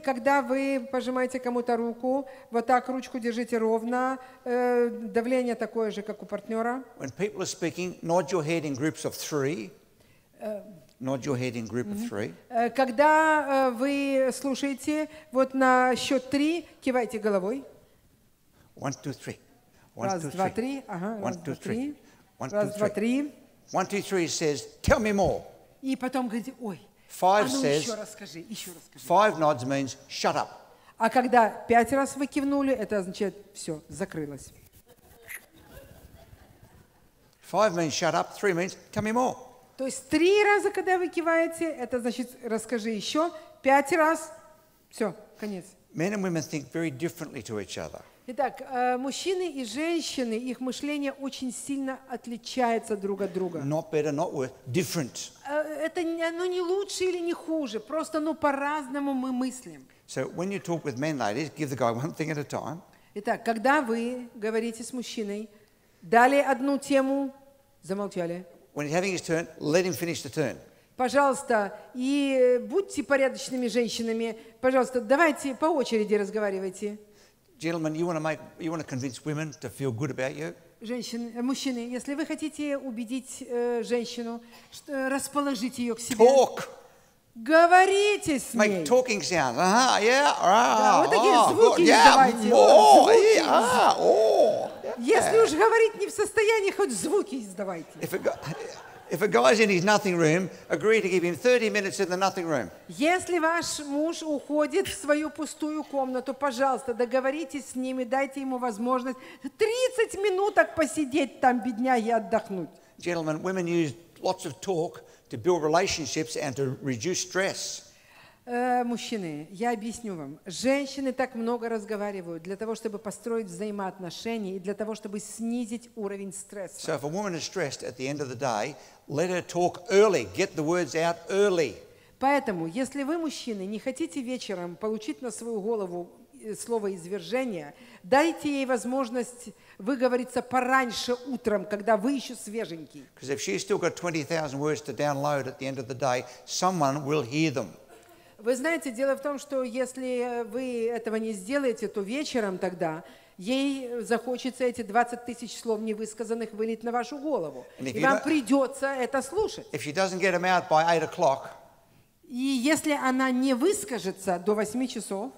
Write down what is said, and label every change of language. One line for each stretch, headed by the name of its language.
Russian: Когда вы пожимаете кому-то руку, вот так ручку держите ровно. Давление такое же, как у партнера.
English: When people are speaking, nod your head in groups of three. Nod your head in group of three.
Russian: Когда вы слушаете, вот на счет три кивайте головой.
English: One, two, three. One, two, three.
Russian: Раз, два, три.
English: One, two, three.
Russian: Раз, два, три.
English: One, two, three says, "Tell me more."
Russian: И потом говорите, ой,
English: five
Russian: а ну
English: says,
Russian: еще расскажи.
English: Five nods means shut up.
Russian: А когда пять раз вы кивнули, это означает, все, закрылось.
English: Five means shut up, three means tell me more.
Russian: То есть три раза, когда вы киваете, это значит, расскажи еще, пять раз, все, конец.
English: Men and women think very differently to each other.
Russian: Итак, мужчины и женщины, их мышление очень сильно отличается друг от друга.
English: Not better, not worse, different.
Russian: Это не лучше или не хуже, просто по-разному мы мыслим.
English: So when you talk with men, ladies, give the guy one thing at a time.
Russian: Итак, когда вы говорите с мужчиной, дали одну тему, замолчали.
English: When he's having his turn, let him finish the turn.
Russian: Пожалуйста, и будьте порядочными женщинами. Пожалуйста, давайте по очереди разговаривайте.
English: Gentlemen, you want to convince women to feel good about you?
Russian: Женщины, мужчины, если вы хотите убедить женщину, расположить ее к себе.
English: Talk.
Russian: Говорите с
English: make
Russian: ней.
English: Make talking sounds. Ага, yeah, ah.
Russian: Вот такие звуки издавайте.
English: Yeah, more, yeah, ah, oh.
Russian: Если уж говорить не в состоянии, хоть звуки издавайте.
English: If a guy's in his nothing room, agree to give him 30 minutes in the nothing room.
Russian: Если ваш муж уходит в свою пустую комнату, пожалуйста, договоритесь с ним и дайте ему возможность 30 минуток посидеть там, бедняги, отдохнуть.
English: Gentlemen, women use lots of talk to build relationships and to reduce stress.
Russian: Мужчины, я объясню вам. Женщины так много разговаривают для того, чтобы построить взаимоотношения и для того, чтобы снизить уровень стресса.
English: So if a woman is stressed at the end of the day, let her talk early, get the words out early.
Russian: Поэтому, если вы, мужчины, не хотите вечером получить на свою голову слово извержения, дайте ей возможность выговориться пораньше утром, когда вы еще свеженький.
English: Because if she's still got 20,000 words to download at the end of the day, someone will hear them.
Russian: Вы знаете, дело в том, что если вы этого не сделаете, то вечером тогда ей захочется эти 20 тысяч слов невысказанных вылить на вашу голову. И вам придется это слушать.
English: If she doesn't get them out by 8 o'clock,
Russian: и если она не выскажется до 8 часов,